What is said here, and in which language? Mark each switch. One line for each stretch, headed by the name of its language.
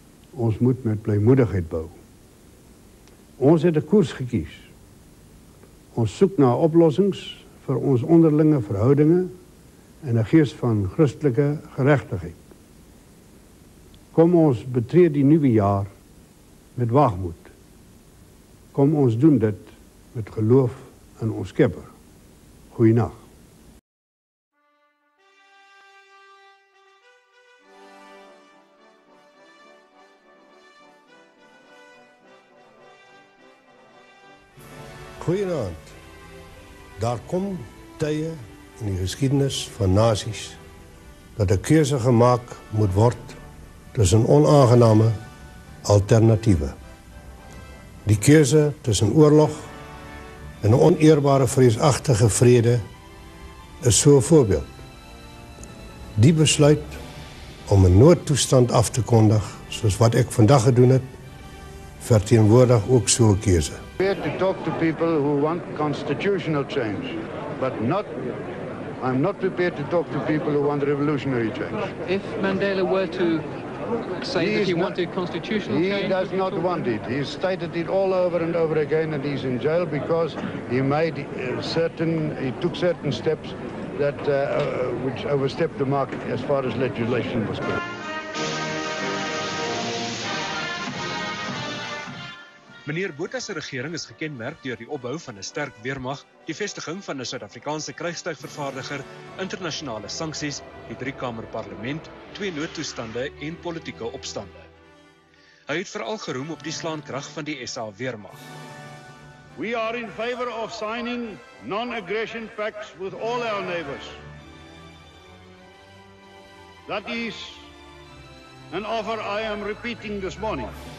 Afrikaans: Ons moet met blymoedigheid bou. Ons het 'n koers gekies. Ons soek na oplossings vir ons onderlinge verhoudinge en 'n gees van Christelike geregtigheid. Kom ons betree die nuwe jaar met waagmoed. Kom ons doen dit met geloof in ons Skepper. Goeienag. Goeienaand. Daar kom tye in die geskiedenis van nasies dat 'n keuse gemaak moet word tussen onaangename alternatiewe. Die keuse tussen oorlog en 'n oneerbare vreesagtige vrede is so 'n voorbeeld. Die besluit om 'n noodtoestand af te kondig, soos wat ek vandag gedoen het, verteenwoordig ook so 'n keuse.
English: We're here to talk to people who want constitutional change, but not, I'm not prepared to talk to people who want revolutionary change. If Mandela were to say he that he wanted constitutional change... He does not want it. He's stated it all over and over again that he's in jail because he made certain, he took certain steps that, which overstepped the mark as far as legislation was concerned.
Afrikaans: Meneer Botha se regering is gekenmerk deur die opbou van 'n sterk weermag, die vestiging van 'n Suid-Afrikaanse krygstuigvervaardiger, internasionale sanksies, die driekamerparlement, twee noodtoestande en politieke opstande. Hy het veral geroem op die slaankrag van die SA weermag.
English: We are in favour of signing non-aggression pacts with all our neighbours. That is an offer I am repeating this morning.